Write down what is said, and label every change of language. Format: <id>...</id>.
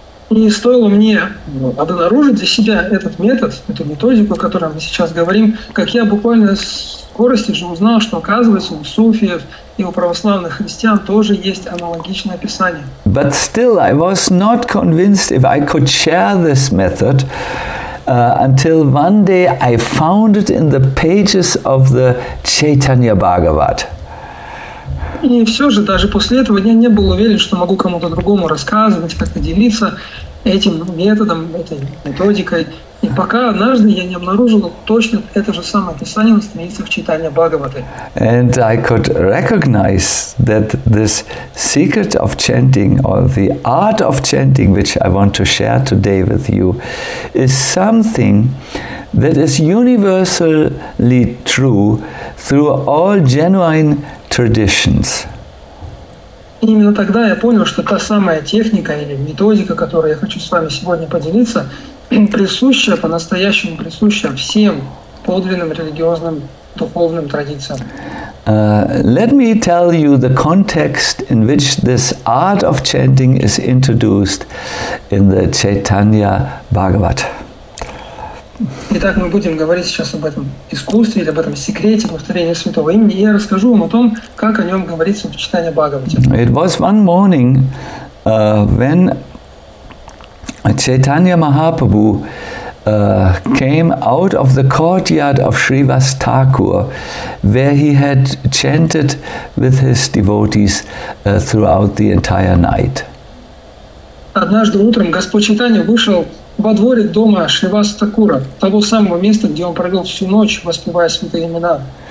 <ru>И стоило мне обнаружить для себя этот метод, эту методику, о которой мы сейчас говорим, как я буквально с скорости же узнал, что оказывается у суфиев и у православных христиан тоже есть аналогичное описание.</ru> <en>But still, I was not convinced if I could share this method. Until one day I found it in the pages of the Chaitanya Bhagavat.</en> <ru>И все же, даже после этого я не был уверен, что могу кому-то другому рассказывать, как-то делиться этим методом, этой методикой. И пока однажды я не обнаружил точно это же самое описание на страницах Chaitanya Bhagavata.</ru> <en>And I could recognize that this secret of chanting, or the art of chanting, which I want to share today with you, is something that is universally true through all genuine traditions.</en> <ru>Именно тогда я понял, что та самая техника или методика, которую я хочу с вами сегодня поделиться, присущая, по-настоящему присущая всем подлинным религиозным духовным традициям.</ru> <en>Let me tell you the context in which this art of chanting is introduced in the Chaitanya Bhagavat.</en> <ru>Итак, мы будем говорить сейчас об этом искусстве или об этом секрете повторения святого имени. И я расскажу вам о том, как о нем говорится в Читании Бхагавате.</ru> <en>It was one morning when Chaitanya Mahaprabhu came out of the courtyard of Srivas Thakur, where he had chanted with his devotees throughout the entire night.</en> <ru>Однажды утром Господь Чайтанья вышел во дворе дома Шривас Такура, того самого места, где он провел всю ночь, воспевая святые имена.</ru>